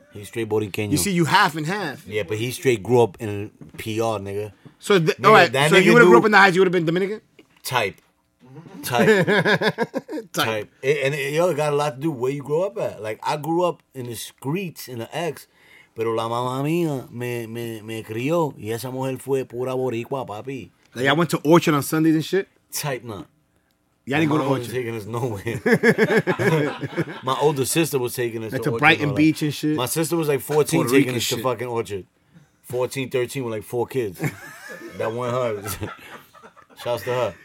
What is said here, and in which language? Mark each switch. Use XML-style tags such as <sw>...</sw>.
<en>He's straight Boricua. You see, you half and half. Yeah, but he straight grew up in PR, nigga. So, all right. So, if you would have grew up in the Heights, you would have been Dominican? Type. And it got a lot to do with where you grew up at. Like, I grew up in the streets in the X.</en> <es>Pero la mamá mía me crió y esa mujer fue pura boricua, papi.</es> <en>Like, I went to Orchard on Sundays and shit? Tight nut. Y'all didn't go to Orchard. My mom was taking us nowhere. My older sister was taking us to Brighton Beach and shit. My sister was like 14 taking us to fucking Orchard. 14, 13 with like 4 kids. That went hard. Shouts to her.</en>